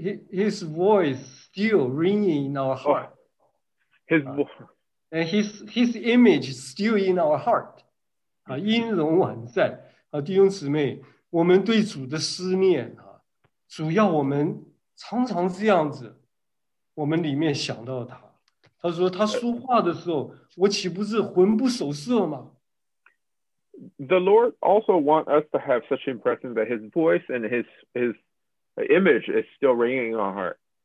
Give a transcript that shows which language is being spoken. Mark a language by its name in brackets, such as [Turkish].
[English] His voice still ringing in our heart. And his image is still in our heart. [Chinese] 音容宛在。弟兄姊妹，我们对主的思念，主要我们常常这样子，我们里面想到他。他说他说话的时候，我岂不是魂不守舍吗？ [English] The Lord also wants us to have such impression that his voice and his image is still ringing in our heart.